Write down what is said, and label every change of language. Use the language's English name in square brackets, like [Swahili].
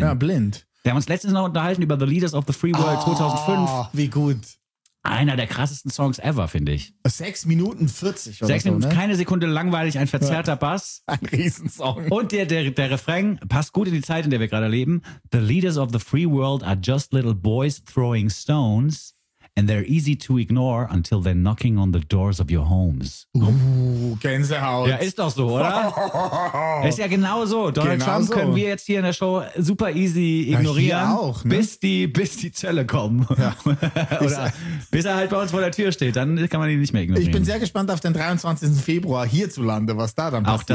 [German] Ja, blind. Wir haben uns letztens noch unterhalten über The Leaders of the Free World 2005. Oh, wie gut. Einer der krassesten Songs ever, finde ich. 6 Minuten 40 oder 6 Minuten, so, ne? Keine Sekunde langweilig, ein verzerrter Bass. Ein Riesensong. Und der Refrain passt gut in die Zeit, in der wir gerade leben. [English] The leaders of the free world are just little boys throwing stones and they're easy to ignore until they're knocking on the doors of your homes. [German] Gänsehaut. Ja, ist doch so, oder? Ist ja genau so. Donald Trump können wir jetzt hier in der Show super easy ignorieren, auch, ne? bis die Zölle kommen. Ja. Oder bis er halt bei uns vor der Tür steht, dann kann man ihn nicht mehr ignorieren. Ich bin sehr gespannt auf den 23. Februar hierzulande, was da dann passiert.